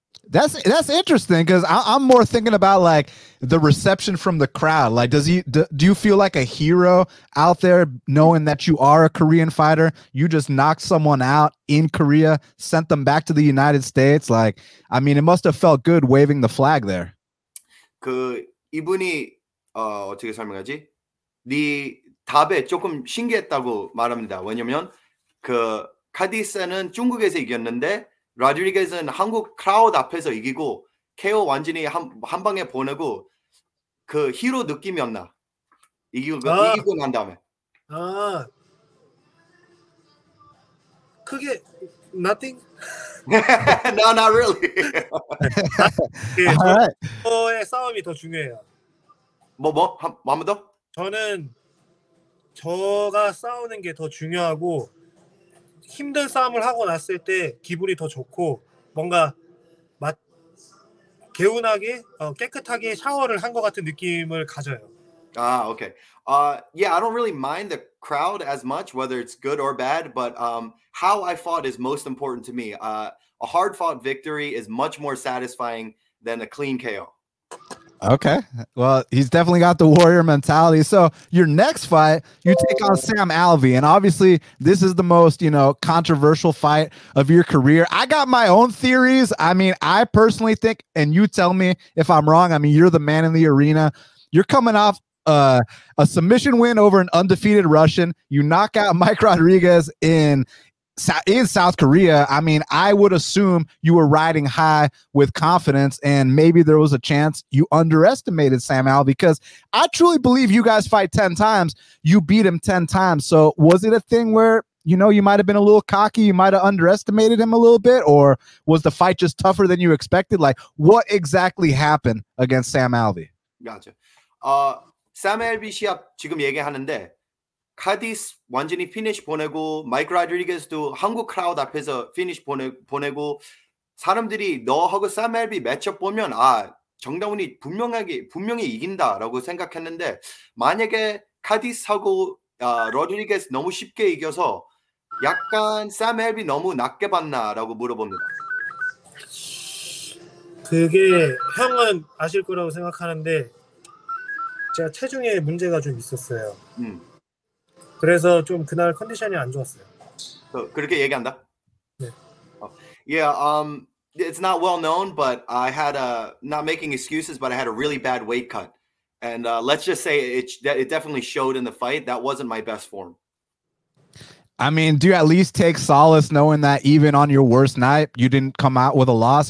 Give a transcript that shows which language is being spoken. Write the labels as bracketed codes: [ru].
[en] That's interesting because I'm more thinking about like the reception from the crowd. Like, do you feel like a hero out there knowing that you are a Korean fighter? You just knocked someone out in Korea, sent them back to the United States. Like, I mean, it must have felt good waving the flag there. [ko] 그 이분이 어떻게 설명하지? 네 답에 조금 신기했다고 말합니다. 왜냐면 그 카디스는 중국에서 이겼는데 로드리게스는 한국 크라우드 앞에서 이기고 KO 완전히 한 방에 보내고 그 히로 느낌이었나? 이기고 난 다음에. 아. 그게 [en] nothing. No, not really. 네, All right. [ko] 저의 싸움이 더 중요해요. 뭐? 한 번 더? 저는 저가 싸우는 게 더 중요하고 힘든 싸움을 하고 났을 때 기분이 더 좋고 뭔가 개운하게 깨끗하게 샤워를 한 것 같은 느낌을 가져요. [en] Ah, okay. Yeah, I don't really mind the crowd as much, whether it's good or bad, but how I fought is most important to me. A hard-fought victory is much more satisfying than a clean KO. Okay. Well, he's definitely got the warrior mentality. So your next fight, you take on Sam Alvey, and obviously this is the most, you know, controversial fight of your career. I got my own theories. I mean, I personally think, and you tell me if I'm wrong, I mean, you're the man in the arena. You're coming off a submission win over an undefeated Russian. You knock out Mike Rodriguez in South Korea. I mean, I would assume you were riding high with confidence, and maybe there was a chance you underestimated Sam Alvey, because I truly believe you guys fight 10 times. You beat him 10 times. So was it a thing where, you know, you might have been a little cocky, you might have underestimated him a little bit, or was the fight just tougher than you expected? Like, what exactly happened against Sam Alvey? Gotcha. [ko] Sam Alvey 시합 지금 얘기하는데 카디스 완전히 피니시 보내고 마이크 로드리게스도 한국 크라우드 앞에서 피니시 보내고 사람들이 너하고 Sam Alvey 매치업 보면 아 정다운이 분명히 이긴다라고 생각했는데 만약에 카디스하고 로드리게스 너무 쉽게 이겨서 약간 Sam Alvey 너무 낮게 봤나라고 물어봅니다. 그게 형은 아실 거라고 생각하는데 제가 체중에 문제가 좀 있었어요. 그래서 좀 그날 컨디션이 안 좋았어요. 그렇게 얘기한다? 네. [en] It's not well known, but I had not making excuses, but I had a really bad weight cut. And let's just say it definitely showed in the fight. That wasn't my best form. I mean, do you at least take solace knowing that even on your worst night, you didn't come out with a loss?